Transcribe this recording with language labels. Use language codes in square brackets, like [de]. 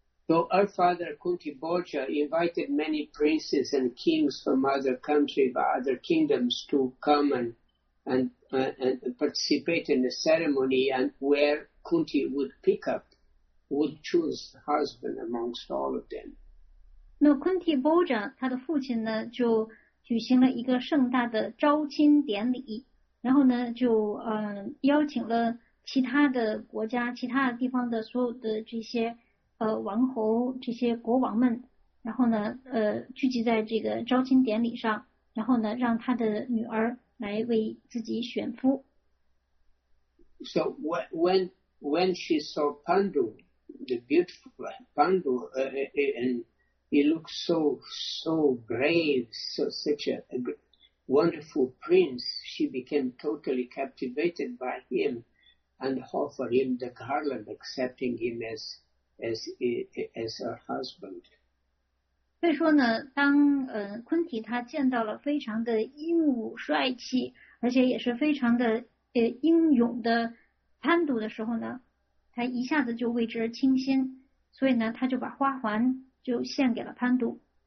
[en] So her father, Kunti Bolcha, invited many princes and kings from other country, by other kingdoms to come and participate in the ceremony and where Kunti would choose husband amongst all of them. [zh] 那 Kunti Bolcha 他的父亲呢就举行了一个盛大的招亲典礼，然后呢就邀请了其他的国家、其他地方的所有的这些王侯、这些国王们，然后呢聚集在这个招亲典礼上，然后呢让他的女儿来为自己选夫。 [en] So when she saw Pandu. The beautiful Pandu, and he looked so brave, such a wonderful prince. She became totally captivated by him and offered him the garland, accepting him as her husband. [zh] 所以说呢，当昆提他见到了非常的英武帅气，而且也是非常的英勇的潘都的时候呢。他一下子就为之倾心，所以呢，他就把花环就献给了潘都。